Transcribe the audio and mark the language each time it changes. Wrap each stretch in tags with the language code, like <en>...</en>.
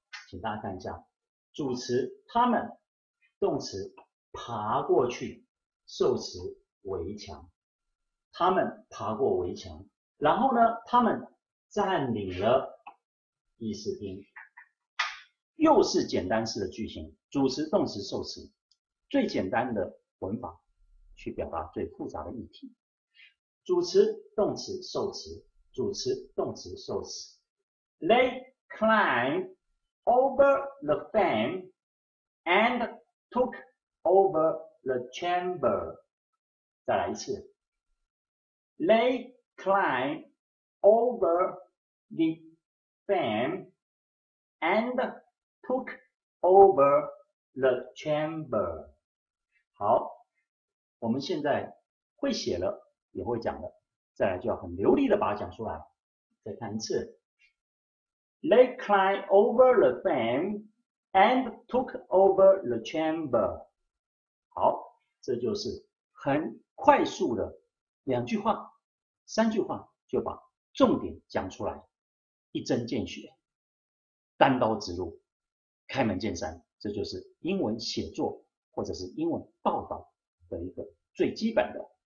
<zh>请大家看一下，主词他们，动词爬过去，受词围墙，他们爬过围墙，然后呢，他们占领了议事厅，又是简单式的句型，主词、动词、受词，最简单的文法去表达最复杂的议题。主词、动词、受词，主词、动词、受词。</zh> <en>They climbed over the fence and took over the chamber。</en> <zh>再来一次，</zh> <en>They climbed over the fence and took over the chamber。</en> <zh>好，我们现在会写了也会讲了，再来就要很流利的把它讲出来。再看一次，</zh> <en>They climbed over the fence and took over the chamber。</en> <zh>好，这就是很快速的两句话、三句话就把重点讲出来，一针见血，单刀直入，开门见山。这就是英文写作或者是英文报道的一个最基本的。</zh>